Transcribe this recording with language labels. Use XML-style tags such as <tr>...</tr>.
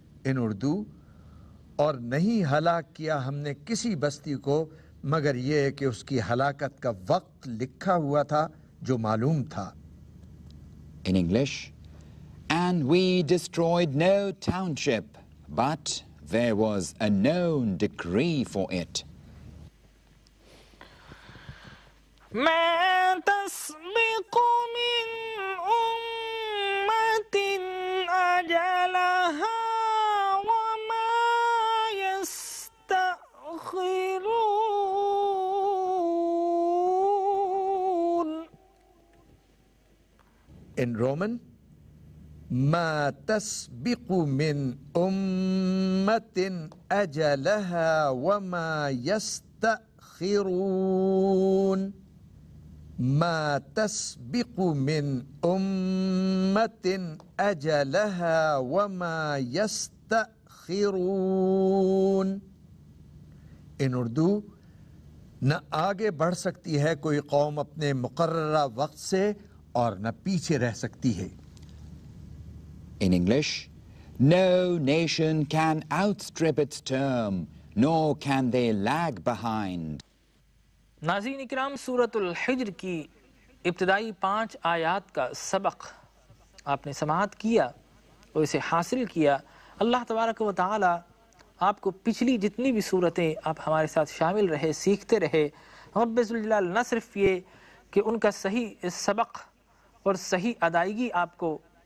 <en>In Urdu,</en> <ur>اور نہیں ہلاک کیا ہم نے کسی بستی کو مگر یہ کہ اس کی ہلاکت کا وقت لکھا ہوا تھا جو معلوم تھا.</ur> <en>In English, and we destroyed no township, but there was a known decree for it.</en> <ar>مَا تَسْبِقُ مِنْ أُمَّةٍ أَجَلَهَا وَمَا</ar> <en>In Roman,</en> <ar>ما تسبق من أمة أجلها وما يستأخرون. ما تسبق من أمة أجلها وما يستأخرون.</ar> <en>In Urdu,</en> <ur>نہ آگے بڑھ سکتی ہے کوئی قوم اپنے مقررہ وقت سے اور نہ پیچھے رہ سکتی ہے.</ur> <en>In English, no nation can outstrip its term, nor can they lag behind.</en> <ur>ناظرین اکرام, سورۃ الحجر کی ابتدائی پانچ آیات کا سبق آپ نے سماعت کیا اور اسے حاصل کیا. اللہ تبارک و تعالی آپ کو پچھلی جتنی بھی سورتیں آپ ہمارے ساتھ شامل رہے, سیکھتے رہے, رب ذو الجلال نہ صرف یہ کہ ان کا صحیح سبق اور صحیح ادائیگی آپ کو</ur>